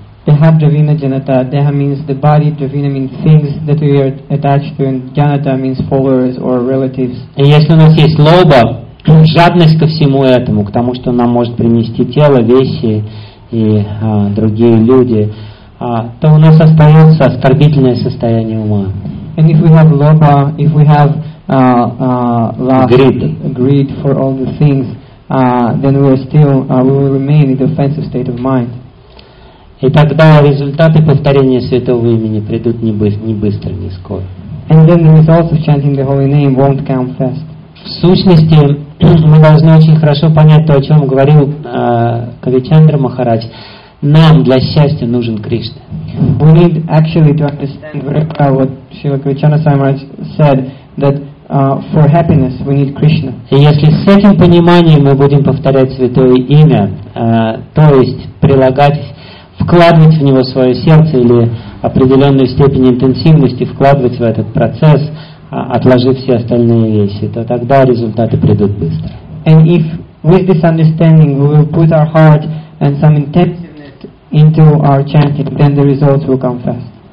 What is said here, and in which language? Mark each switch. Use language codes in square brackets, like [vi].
[sa] Деха дравина джаната. [en] Деха means the body, дравина means things that we are attached to, and джаната means followers or relatives. [ru] И если у нас есть лоба, жадность ко всему этому, к тому, что нам может принести тело, вещи и другие люди, то у нас остается оскорбительное состояние ума. [en] And if we have loba, if we have love, greed for all the things, then we will remain in the offensive state of mind. [ru] И тогда результаты повторения святого имени придут не быстро, не скоро. [en] And then the results of chanting the holy name won't come fast. [ru] В сущности, мы должны очень хорошо понять то, о чем говорил Кавичандра Махарадж. Нам для счастья нужен Кришна. [en] We need actually to understand what Srila Krishna Samaraj said, that for happiness we need Krishna. [ru] И если с этим пониманием мы будем повторять святое имя, то есть вкладывать в него свое сердце или определенную степень интенсивности вкладывать в этот процесс, отложив все остальные вещи, то тогда результаты придут быстро. [en] And if with this understanding we will put our heart and some intensity into our chanting, then the results will come fast.